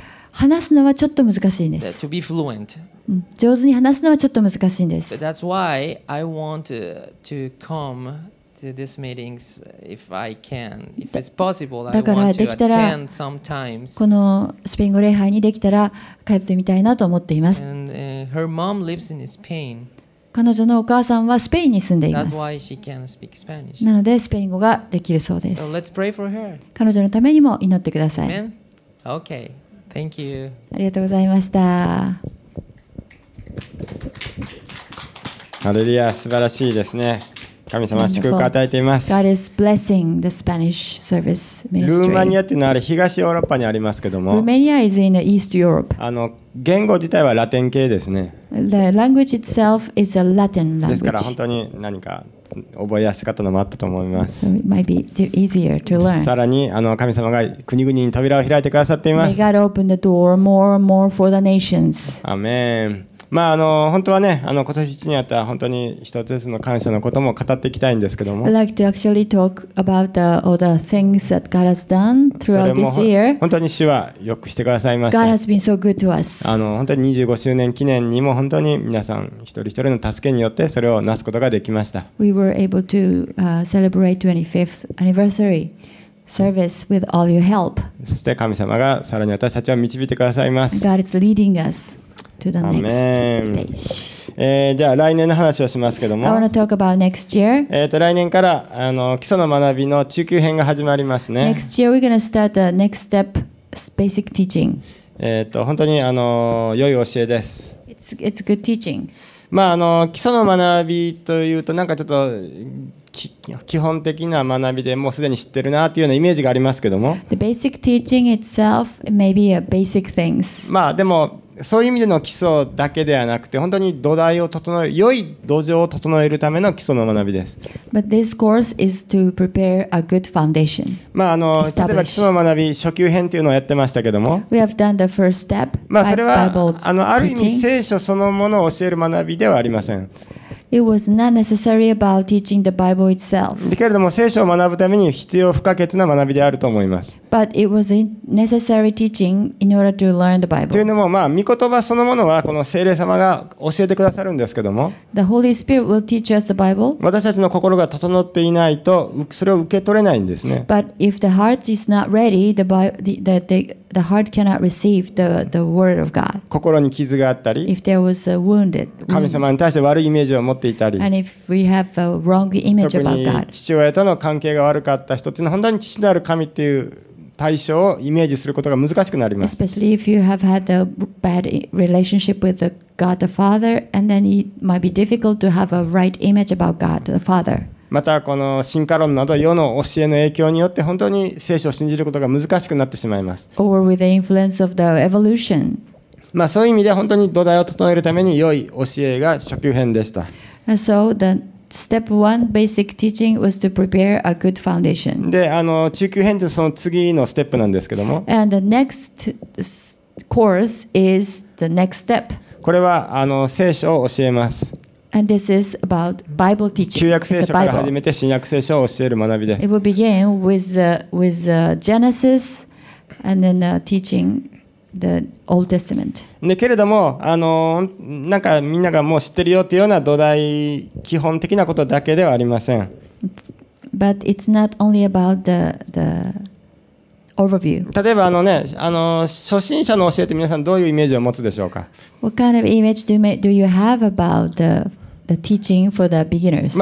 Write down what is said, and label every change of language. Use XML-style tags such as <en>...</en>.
<ja>話すのはちょっと難しいんです。</ja> <en>To be fluent.</en> <ja>上手に話すのはちょっと難しいんです。</ja> <en>That's why I want to come to these meetings if I can, if it's possible.</en> <ja>だからできたら、このスペイン語礼拝にできたら通ってみたいなと思っています。</ja> <en>And her mom lives in Spain.</en> <ja>彼女のお母さんはスペインに住んでいます。なのでスペイン語ができるそうです。</ja> <en>So、</en> <ja>彼女のためにも祈ってください。</ja> <en>Okay. Thank you.</en> <ja>ありがとうございました。ハレルヤ、素晴らしいですね。神様祝福を与えています。</ja> <en>God is blessing the Spanish service ministry.</en> <ja>ルーマニアっていうのはあれ東ヨーロッパにありますけども。</ja> <en>Romania is in the East Europe.</en> <ja>言語自体はラテン系ですね。</ja> <en>The language itself is a Latin language.</en> <ja>ですから本当に何か覚えやすかったのもあったと思います。</ja> <en>So、it might be too easier to learn.</en> <ja>さらに神様が国々に扉を開いてくださっています。</ja> <en>May God open the door more and more for the nations.</en> <ja>アメン。まあ本当はね今年一年あったら本当に一つずつの感謝のことも語っていきたいんですけども。</ja> <en>I'd like to actually talk about the other things that God has done throughout this year.</en> <ja>本当に主はよくしてくださいました。</ja> <en>God has been so good to us.</en> <ja>本当に25周年記念にも本当に皆さん一人一人の助けによってそれをなすことができました。</ja> <en>We were able to celebrate 25th anniversary. Service with all your help.</en> <ja>そして神様がさらに私たちを導いてくださいます。</ja> <en>God is leading us to the next stage.</en> <ja>じゃあ来年の話をしますけども。</ja> <en>I want to talk about next year.</en> <ja>来年から基礎の学びの中級編が始まりますね。</ja> <en>Next year we're gonna start the next step basic teaching.</en> <ja>本当に良い教えです。</ja> <en>It's good teaching.</en> <ja>まあ基礎の学びというとなんかちょっと。基本的な学びでもうすでに知ってるなというようなイメージがありますけども。</ja> <en>The basic teaching itself may be a basic things.</en> <ja>まあでもそういう意味での基礎だけではなくて本当に土台を整え、良い土壌を整えるための基礎の学びです。</ja> <en>But this course is to prepare a good foundation.</en> <ja>まあ例えば基礎の学び初級編というのをやってましたけども。</ja> <en>We have done the first step.</en> <ja>まあそれはある意味聖書そのものを教える学びではありません。</ja> <en>It was not necessary about teaching the Bible itself.</en> <ja>けれども聖書を学ぶために必要不可欠な学びであると思います。</ja> <en>But it was necessary teaching in order to learn the Bible.</en> <ja>というのも御言葉そのものはこの聖霊様が教えてくださるんですけども。</ja> <en>The Holy Spirit will teach us the Bible.</en> <ja>私たちの心が整っていないとそれを受け取れないんですね。</ja> <en>But if the heart is not ready, the heart cannot receive the word of God.</en> <ja>心に傷があったり、</ja> <en>if there was a wounded,</en> <ja>神様に対して悪いイメージを持っていたり、</ja> <en>and if we have a wrong image about God.</en> <ja>特に父親との関係が悪かった人っていうのは本当に父なる神っていう対象をイメージすることが難しくなります。</ja> <en>Especially if you have had a bad relationship with God the Father, and then it might be difficult to have a right image about God the Father.</en> <ja>またこの進化論など世の教えの影響によって本当に聖書を信じることが難しくなってしまいます。</ja> <en>Or with the influence of the evolution.</en> <ja>まあそういう意味で本当に土台を整えるために良い教えが初級編でした。</ja> <en>So the step one basic teaching was to prepare a good foundation.</en> <ja>で、中級編ってその次のステップなんですけども。</ja> <en>And the next course is the next step.</en> <ja>これはあの聖書を教えます。</ja> <en>And this is about Bible teaching.</en> <ja>旧約聖書から始めて新約聖書を教える学びです。</ja> <en>It will begin with Genesis and then teaching the Old Testament.</en> <ja>でけれどもあのなんかみんながもう知ってるよっていうような土台基本的なことだけではありません。</ja> <en>But it's not only about the overview.</en> <ja>例えばあのねあの初心者の教えて皆さんどういうイメージを持つでしょうか。</ja> <en>What kind of image do you have about the teaching for the beginners?</en>